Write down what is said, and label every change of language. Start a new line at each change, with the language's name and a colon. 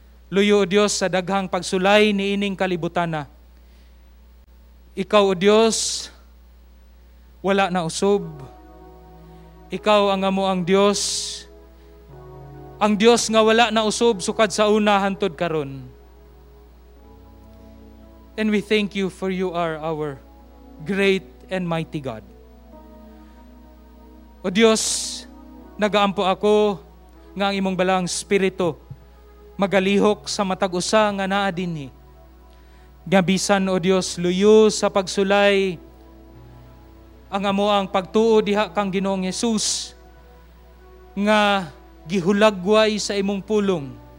Cebuano: Luyo o Dios sa daghang pagsulay niining kalibutana. Ikaw o Dios wala na usob. Ikaw ang amo ang Dios. Ang Dios nga wala na usob sukad sa una hantod karon.
English: And we thank you for you are our great and mighty God.
Cebuano: O Dios, nagaampo ako nga ang imong balang spirito magalihok sa matag usa nga naa dinhi. Gabisan o Dios, luyo sa pagsulay ang amo ang pagtuo diha kang Ginoong Jesus nga gihulagway sa imong pulong.